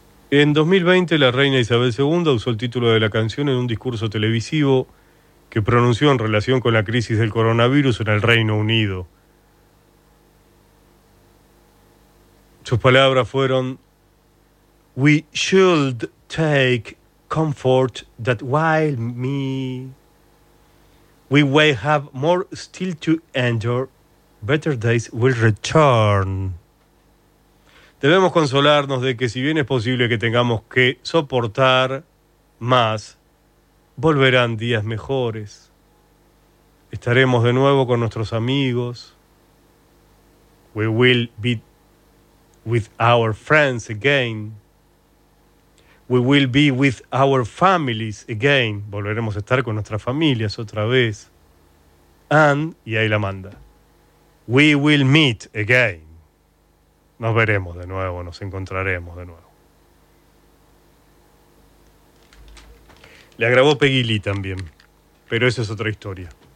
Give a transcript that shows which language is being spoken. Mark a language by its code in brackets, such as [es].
[es] En 2020, la reina Isabel II usó el título de la canción en un discurso televisivo que pronunció en relación con la crisis del coronavirus en el Reino Unido. Sus palabras fueron: [en] We should take comfort that while we will have more still to endure, better days will return. [es] Debemos consolarnos de que si bien es posible que tengamos que soportar más, volverán días mejores. Estaremos de nuevo con nuestros amigos. [en] We will be with our friends again. We will be with our families again. [es] Volveremos a estar con nuestras familias otra vez. [en] And, [es] y ahí la manda, [en] we will meet again. [es] Nos veremos de nuevo, nos encontraremos de nuevo. La grabó Peggy Lee también, pero esa es otra historia.